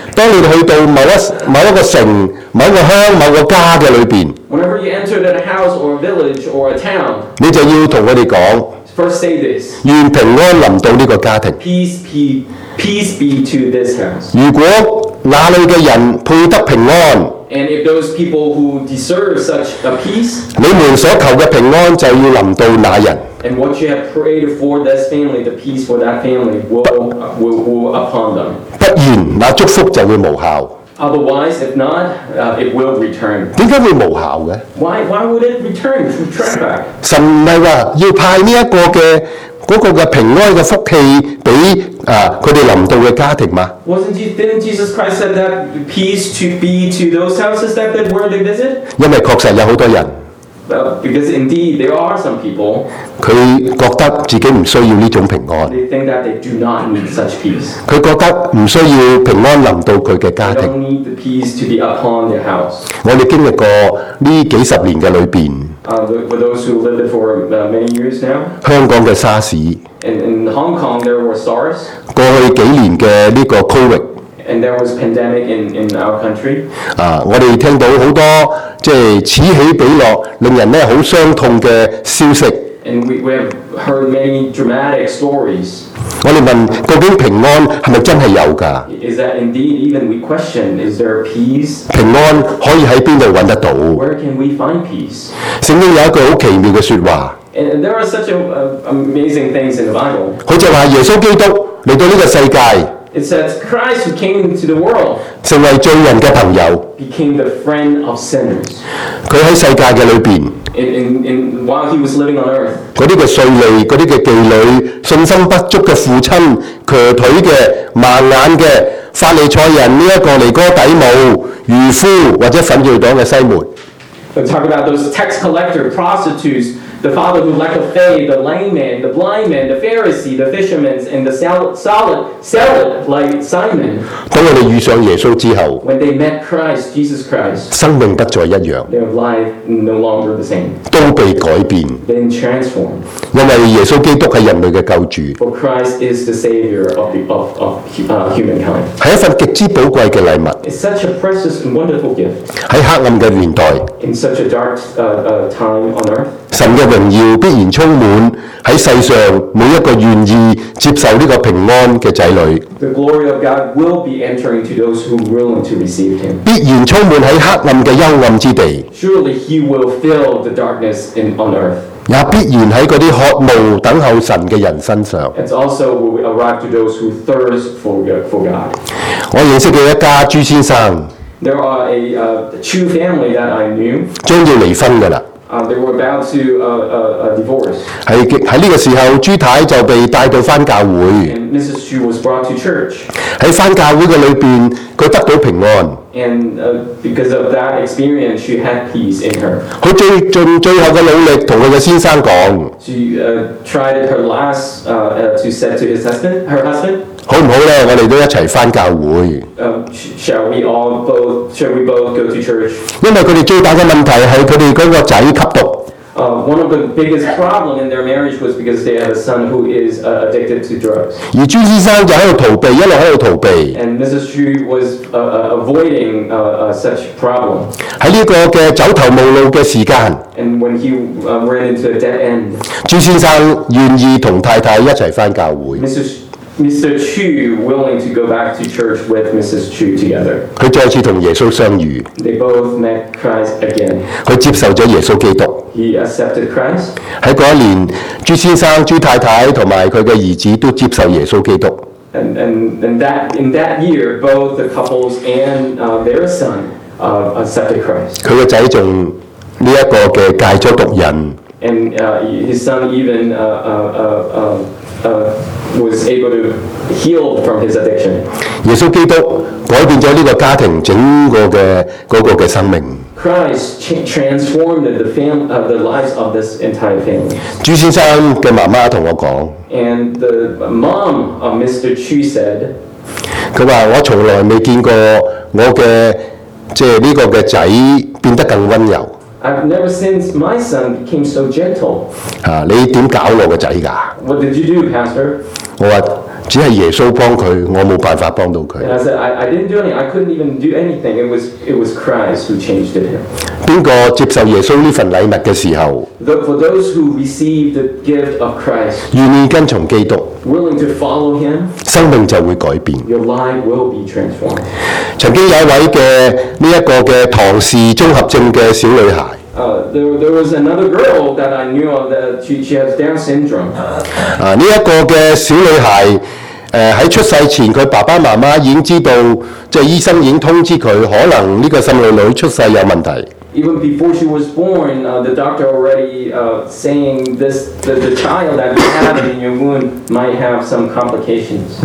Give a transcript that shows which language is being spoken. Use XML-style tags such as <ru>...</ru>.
<yue>当你去到某一个城某一个乡某一个家的里面</yue> <en>whenever you enter that house or village or a town</en> <yue>你就要跟他们说</yue> <en>First say this.</en> <yue>愿平安临到这个家庭。</yue> <en>Peace be to this house.</en> <yue>如果那里的人配得平安。</yue> <en>And if those people who deserve such a peace.</en> <yue>你们所求的平安就要临到那人。</yue> <en>And what you have prayed for this family, the peace for that family will upon them.</en> <yue>不然那祝福就会无效。</yue> <en>Otherwise, if not, it will return.</en> <yue>为什么会无效的?</yue> <en>Why would it return? To track back?</en> <yue>神不是说要派这个的那个的平安的福气给他们临到的家庭吗?</yue> <en>Didn't Jesus Christ said that peace to be to those houses that they were to visit?</en> <yue>因为确实有很多人。</yue> <en>Because indeed, there are some people.</en> <yue>他觉得自己不需要这种平安。</yue> <en>They think that they do not need such peace.</en> <yue>他觉得不需要平安临到他的家庭。</yue> <en>They don't need the peace to be upon their house.</en> <yue>我们经历过这几十年的里面。</yue> <en>For those who lived for many years now.</en> <yue>香港的沙士。</yue> <en>In Hong Kong, there were SARS.</en> <yue>过去几年的这个 COVID。</yue> <en>And there was pandemic in our country.</en> <yue>我们听到很多即此起彼落，令人咧好伤痛的消息。</yue> <en>And we have heard many dramatic stories.</en> <yue>我们问究竟平安是不是真的有的</yue> <en>Is that indeed even we question? Is there peace?</en> <yue>平安可以在哪里找得到</yue> <en>Where can we find peace?</en> <yue>圣经有一句很奇妙的说话。</yue> <en>And there are such amazing things in the Bible.</en> <yue>他就说耶稣基督来到这个世界。</yue> <en>It says Christ who came into the world</en> <yue>成为罪人的朋友</yue> <en>became the friend of sinners</en> <yue>他在世界的里面</yue> <en>in while he was living on earth</en> <yue>那些的税吏那些的妓女信心不足的父亲瘸腿的盲眼的法利赛人这个尼哥底母渔夫或者粉碎党的西门</yue> <en>We talk about those tax collector prostitutes the father who lacked of faith, the lame man, the blind man, the Pharisee, the fishermen, and the solid like Simon.</en> <yue>当我们遇上耶稣之后,</yue> <en>when they met Christ, Jesus Christ,</en> <yue>生命不再一样,</yue> <en>their life no longer the same.</en> <yue>都被改变,</yue> <en>been transformed.</en> <yue>因为耶稣基督是人类的救主,</yue> <en>for Christ is the savior of humankind.</en> <yue>是一份极之宝贵的礼物,</yue> <en>it's such a precious and wonderful gift.</en> <yue>在黑暗的年代,</yue> <en>in such a dark time on earth,</en> <yue>神的荣耀必然充满在世上每一个愿意接受这个平安的子女</yue> <en>The glory of God will be entering to those who are willing to receive him.</en> <yue>必然充满在黑暗的幽暗之地</yue> <en>Surely he will fill the darkness on earth.</en> <yue>也必然在那些渴慕等候神的人身上</yue> <en>It's also will arrive to those who thirst for God.</en> <yue>我认识的一家朱先生</yue> <en>There are a true family that I knew.</en> <yue>将要离婚的了</yue> <en>They were about to divorce.</en> <yue>在这个时候，朱太就被带到翻教会。</yue> <en>And Mrs. Chu was brought to church.</en> <yue>在翻教会的里面，她得到平安。</yue> <en>And because of that experience, she had peace in her.</en> <yue>她最尽最后的努力同她的先生讲。</yue> <en>She tried her last to say to his husband, her husband.</en> <yue>好唔好咧？我哋都一齐翻教会。</yue> <en>Shall we both go to church?</en> <yue>因为佢哋最大嘅问题系佢哋嗰个仔吸毒。</yue> <en>One of the biggest problems in their marriage was because they had a son who is addicted to drugs.</en> <yue>而朱先生就喺度逃避，一路喺度逃避。</yue> <en>And Mrs. Chu was avoiding such problem.</en> <yue>喺呢个嘅走投无路嘅时间。</yue> <en>And when he ran into a dead end.</en> <yue>朱先生愿意同太太一齐翻教会。</yue> <en>Mrs. Mr. Chu willing to go back to church with Mrs. Chu together.</en> <yue>佢再次同耶穌相遇。</yue> <en>They both met Christ again.</en> <yue>佢接受咗耶穌基督。</yue> <en>He accepted Christ.</en> <yue>喺嗰一年，朱先生、朱太太同埋佢嘅兒子都接受耶穌基督。</yue> <en>And that in that year, both the couples and their son accepted Christ.</en> <yue>佢嘅仔仲呢一個嘅戒咗毒癮。</yue> <en>And his son even was able to heal from his addiction.</en> <yue>耶穌基督改變咗呢個家庭整個嘅嗰個嘅生命。</yue> <en>Christ transformed the lives of this entire family.</en> <yue>朱先生嘅媽媽同我講。</yue> <en>And the mom of Mr. Chu said.</en> <yue>佢話：我從來未見過我嘅即係呢個嘅仔變得更温柔。</yue> <en>I've never seen my son became so gentle.</en> <yue>啊，你點搞我個仔噶</yue> <en>？What did you do, Pastor?</en> <yue>我話只係耶穌幫佢，我冇辦法幫到佢。</yue> <en>And I said I didn't do anything. I couldn't even do anything. It was Christ who changed him.</en> <yue>邊個接受耶穌呢份禮物嘅時候</yue> <en>？For those who receive the gift of Christ,</en> <yue>願意跟從基督</yue> <en>，willing to follow him,</en> <yue>生命就會改變。</yue> <en>Your life will be transformed.</en> <yue>曾經有一位嘅呢一個嘅唐氏綜合症嘅小女孩。</yue> <en>There was another girl that I knew of that she has Down syndrome.</en> <yue>啊，呢一個嘅小女孩，喺出世前，佢爸爸媽媽已經知道，即係醫生已經通知佢，可能呢個細路女出世有問題。</yue> <en>Even before she was born, the doctor already saying this the child that you have in your womb might have some complications.</en>